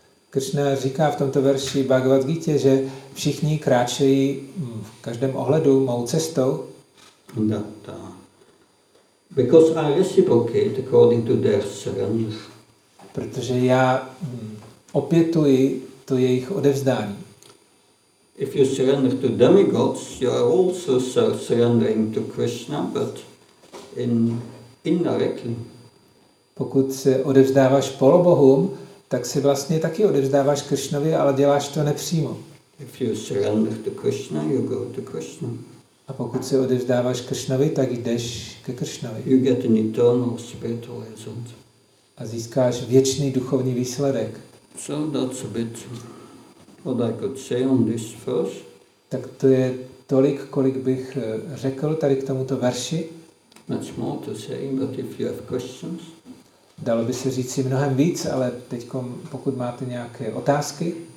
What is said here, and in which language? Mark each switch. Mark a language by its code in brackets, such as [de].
[cs] Krishna říká v tomto verši Bhagavad Gita, že všichni kráčejí v každém ohledu mou cestou. [en] Because I reciprocate according to their surrender. [cs] Protože já opětuji to jejich odevzdání. [en] If you surrender to demigods, you are also surrendering to Krishna, but indirectly. [cs] Pokud se odevzdáváš polobohům, tak si vlastně taky odevzdáváš Krishnovi, ale děláš to nepřímo. [en] If you surrender to Krishna, you go to Krishna. [cs] A pokud se odevzdáváš Krishnovi, tak jdeš ke Krishnovi. [en] You get an eternal spiritual result. [cs] A získáš věčný duchovní výsledek. [en] So that's a bit what I could say on this verse. [cs] Tak to je tolik, kolik bych řekl tady k tomuto verši. [en] Much more to say, but if you have questions. [cs] Dalo by se říct si mnohem víc, ale teď, pokud máte nějaké otázky.